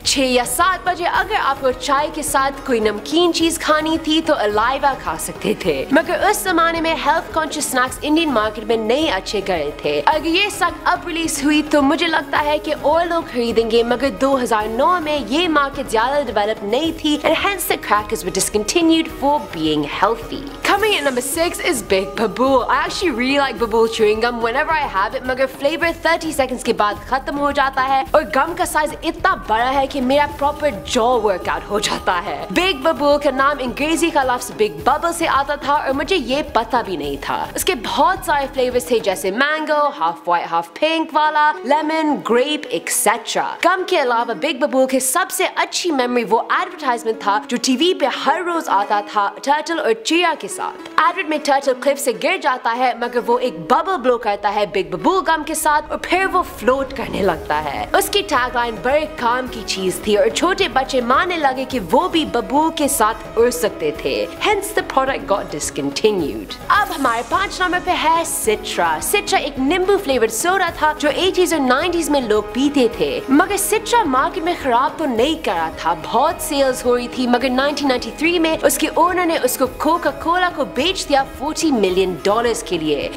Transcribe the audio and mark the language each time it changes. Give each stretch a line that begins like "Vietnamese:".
Hindi: 6 या 7 बजे अगर आपको चाय के साथ कोई नमकीन चीज खानी थी तो अलाइवा खा सकते थे, मगर उस जमाने में health conscious snacks Indian market में नहीं अच्छे गए थे. अगर ये स्नैक अब रिलीज हुई तो मुझे लगता है कि और लोग खरीदेंगे, मगर 2009 में ये मार्केट ज्यादा डेवलप नहीं थी
English: And hence the crackers were discontinued for being healthy. Coming at number 6 is Big Babool. I actually really like Babool chewing gum whenever I have it,
Hindi: magar flavor 30 seconds ke baad khatam ho jata hai aur gum ka size itna bada hai ki mera proper jaw workout ho jata hai. Big Babool ka naam angrezi ka lafz big bubble se aata tha aur mujhe ye pata bhi nahi tha. Uske bahut saare flavors the jaise mango, half white half pink wala, lemon, grape, etc. Gum ke alawa Big Babool ke sabse achhi memory wo advertisement tha jo TV pe har roz aata tha, turtle aur chia ke. Advert में turtle Cliff से गिर जाता है मगर वो एक bubble blow करता है बिग बबूल गम के साथ और फिर वो फ्लोट करने लगता है। उसकी टैगलाइन बड़े काम की चीज थी और छोटे बच्चे मानने लगे कि वो भी बबूल के साथ उड़ सकते थे।
English: Hence the product got discontinued.
Hindi: अब हमारे पांच नंबर पे है सिट्रा। सिट्रा एक नींबू फ्लेवर्ड सोडा था जो 80s और 90s में लोग पीते थे। मगर सिट्रा मार्केट में खराब तो नहीं कर रहा था, बहुत सेल्स हो रही थी। मगर 1993 में उसके ओनर ने उसको कोका कोला को बेच दिया $40 million के लिए।